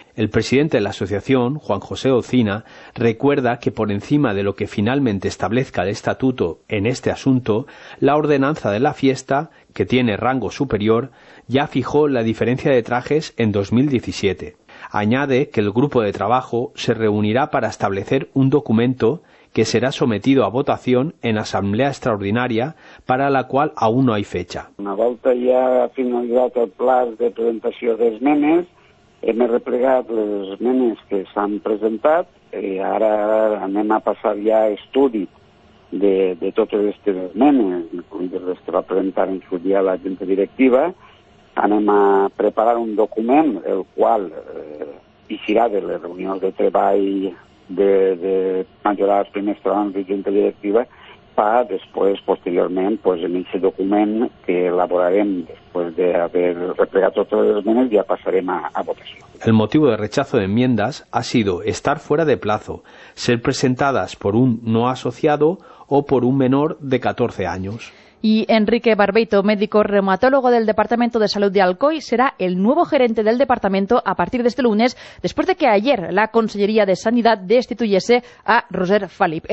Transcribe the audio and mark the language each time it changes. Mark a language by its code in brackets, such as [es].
[es] El presidente de la asociación, Juan José Ocina, recuerda que por encima de lo que finalmente establezca el estatuto en este asunto, la ordenanza de la fiesta, que tiene rango superior, ya fijó la diferencia de trajes en 2017. Añade que el grupo de trabajo se reunirá para establecer un documento que será sometido a votación en asamblea extraordinaria, para la qual aún no hay fecha. [ca] Una volta ja ha finalitzat el pla de presentació d'esmenes, hem replegat les esmenes que s'han presentat i ara anem a passar ja a estudi de totes aquestes esmenes, incluint les que va presentar en su dia la junta directiva. Anem a preparar un document el qual eixirà de les reunions de treball de majorar els primers treballs de junta directiva per després, posteriorment, pues, en aquest document que elaborarem després d'haver replegat tots els documents ja passarem a votació. [es] El motiu de rechazo de enmiendas ha sido estar fuera de plazo, ser presentadas por un no asociado o por un menor de 14 años. Y Enrique Barbeito, médico reumatólogo del Departamento de Salud de Alcoy, será el nuevo gerente del departamento a partir de este lunes, después de que ayer la Consellería de Sanidad destituyese a Roser Falip.